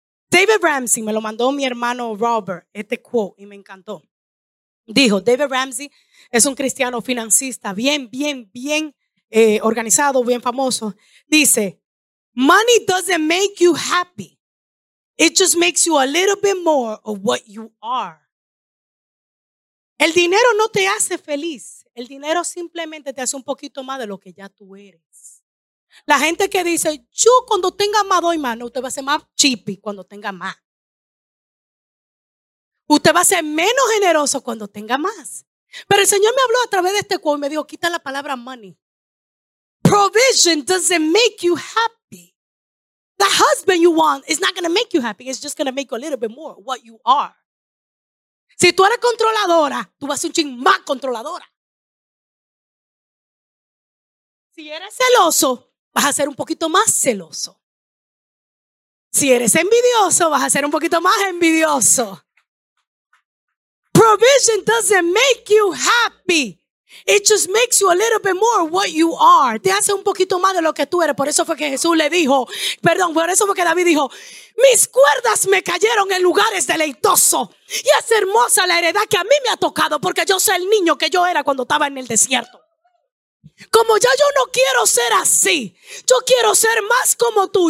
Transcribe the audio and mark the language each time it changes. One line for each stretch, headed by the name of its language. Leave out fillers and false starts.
Spanish: David Ramsey, me lo mandó mi hermano Robert, este quote, y me encantó. Dijo, David Ramsey es un cristiano financista, bien organizado, bien famoso. Dice,
English: money doesn't make you happy. It just makes you a little bit more of what you are.
Spanish: El dinero no te hace feliz. El dinero simplemente te hace un poquito más de lo que ya tú eres. La gente que dice, yo cuando tenga más doy más, no, usted va a ser más chippy cuando tenga más. Usted va a ser menos generoso cuando tenga más. Pero el Señor me habló a través de este cuadro y me dijo, quita la palabra money.
English: Provision doesn't make you happy. The husband you want is not going to make you happy. It's just going to make you a little bit more what you are.
Spanish: Si tú eres controladora, tú vas a ser un ching más controladora. Si eres celoso, vas a ser un poquito más celoso. Si eres envidioso, vas a ser un poquito más envidioso.
English: Provision doesn't make you happy. It just makes you a little bit more what you are.
Spanish: Te hace un poquito más de lo que tú eres. Por eso fue que Jesús le dijo, perdón, por eso fue que David dijo, mis cuerdas me cayeron en lugares deleitosos. Y es hermosa la heredad que a mí me ha tocado porque yo soy el niño que yo era cuando estaba en el desierto. Como ya yo no quiero ser así, yo quiero ser más como tú.